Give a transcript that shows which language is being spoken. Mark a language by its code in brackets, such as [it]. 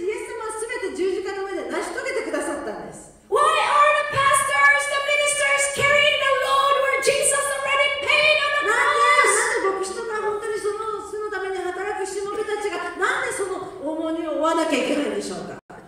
[ja] イエス様はすべて十字架の上で成し遂げてくださったんです。 [en] Why are the pastors, the ministers carrying the load where Jesus already paid on the cross? [ja] なんで牧師とか本当にその死のために働くしもべたちがなんでその重荷を負わなきゃいけないんでしょうか。